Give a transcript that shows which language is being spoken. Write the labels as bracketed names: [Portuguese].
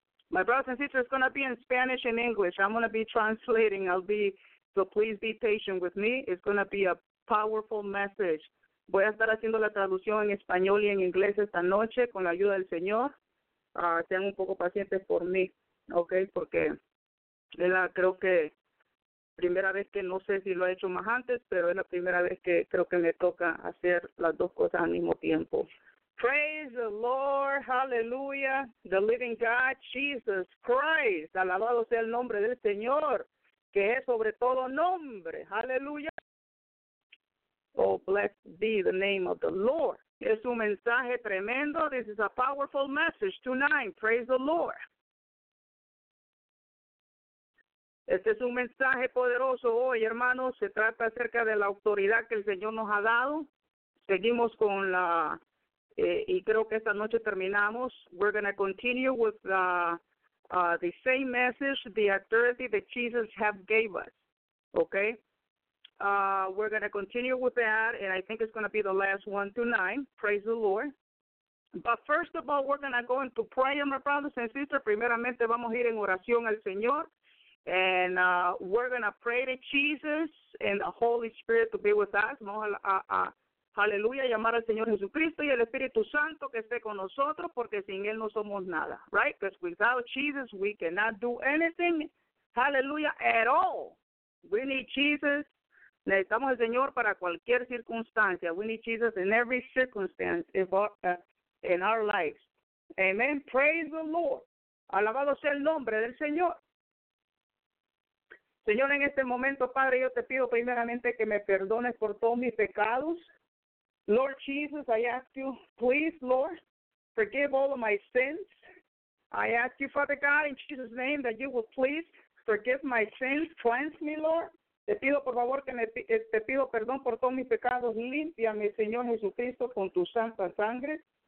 [English] My brothers and sisters, it's going to be in Spanish and English. I'm going to be translating. So please be patient with me. It's going to be a powerful message. [Spanish] Voy a estar haciendo la traducción en español y en inglés esta noche con la ayuda del Señor. Sean un poco pacientes por mí, okay? Porque creo que primera vez que no sé si lo ha hecho más antes, pero es la primera vez que creo que me toca hacer las dos cosas al mismo tiempo. [English] Praise the Lord, hallelujah, the living God, Jesus Christ, [Spanish] alabado sea el nombre del Señor, que es sobre todo nombre, hallelujah. [English] Oh, blessed be the name of the Lord. [Spanish] Es un mensaje tremendo. [English] This is a powerful message tonight. Praise the Lord. [Spanish] Este es un mensaje poderoso hoy, hermanos. Se trata acerca de la autoridad que el Señor nos ha dado. Seguimos con la, y creo que esta noche terminamos. [English] We're going to continue with the same message, the authority that Jesus have gave us. Okay? We're going to continue with that, and I think it's going to be the last one tonight. Praise the Lord. But first of all, we're going to go into prayer, my brothers and sisters. [Spanish] Primeramente, vamos a ir en oración al Señor. [English] And we're going to pray to Jesus and the Holy Spirit to be with us. [Spanish] Vamos a hallelujah, llamar al Señor Jesucristo y el Espíritu Santo que esté con nosotros, porque sin Él no somos nada, right? [English] Because without Jesus, we cannot do anything, hallelujah, at all. We need Jesus. [Spanish] Necesitamos al Señor para cualquier circunstancia. [English] We need Jesus in every circumstance in our lives. Amen. Praise the Lord. [Spanish] Alabado sea el nombre del Señor. Señor, en este momento, Padre, yo te pido primeramente que me perdones por todos mis pecados. [English] Lord Jesus, I ask you, please, Lord, forgive all of my sins. I ask you, Father God, in Jesus' name, that you will please forgive my sins, cleanse me, Lord. [Spanish] Te pido, por favor, que te pido perdón por todos mis pecados. Límpiame, Señor Jesucristo, con tu santa sangre.